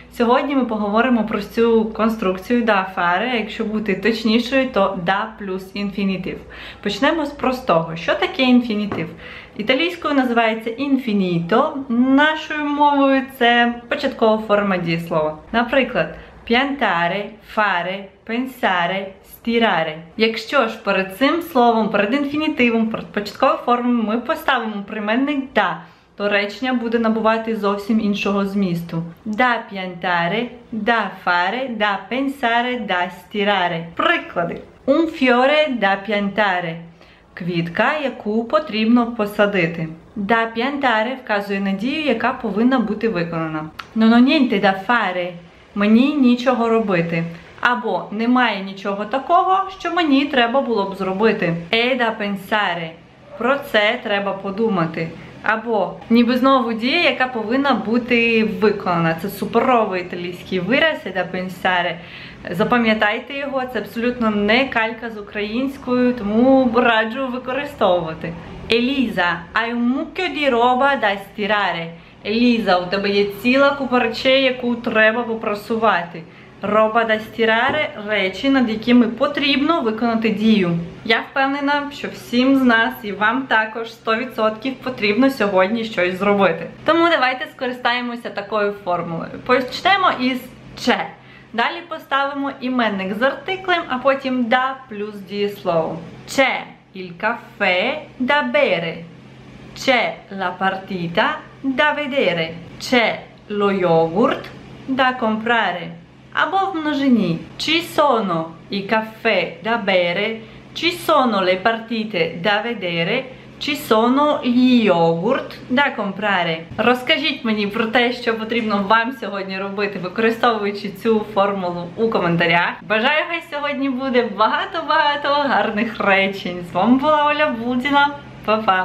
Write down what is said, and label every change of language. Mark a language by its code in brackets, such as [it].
[uk] Сьогодні ми поговоримо про цю конструкцію [it] da fare, [uk] якщо бути точнішою, то da plus infinitive. Почнемо з простого. Що таке infinitive? Італійською називається infinito, нашою мовою це початкова форма дієслова. [it] Наприклад, piantare, fare, pensare, stirare. [uk] Якщо ж перед цим словом, перед інфінітивом, перед початковою формою ми поставимо прийменник da, то речення буде набувати зовсім іншого змісту. [it] Da piantare, da fare, da pensare, da stirare. [uk] Приклади. [it] Un fiore da piantare. [uk] Квітка, яку потрібно посадити. [it] Da piantare [uk] вказує надію, яка повинна бути виконана. [it] Non ho niente da fare. [uk] Мені нічого робити. Або немає нічого такого, що мені треба було б зробити. [it] E da pensare. [uk] Про це треба подумати. Або ніби знову дія, яка повинна бути виконана. Це суперовий італійський вираз, [it] e da pensare. [uk] Запам'ятайте його, це абсолютно не калька з українською, тому раджу використовувати. [it] Eliza, hai un mucchio di roba da stirare. [uk] Eliza, у тебе є ціла купа речей, яку треба попрасувати. [it] Roba da stirare [uk] – речі, над якими потрібно виконати дію. Я впевнена, що всім з нас і вам також 100% потрібно сьогодні щось зробити. Тому давайте скористаємося такою формулою. Почнемо із «че». Далі поставимо іменник з артиклем, а потім «да» плюс дієслово. [it] «Че» – «il caffè da bere». «Че» – «la partita da vedere». «Че» – «lo yogurt da comprare». [uk] Або в множині. [it] Ci sono i caffè da bere, ci sono le partite da vedere, ci sono gli yogurt da comprare. [uk] Розкажіть мені про те, що потрібно вам сьогодні робити, використовуючи цю формулу у коментарях. Бажаю, хай сьогодні буде багато-багато гарних речень. З вами була Оля Будіна. Па-па!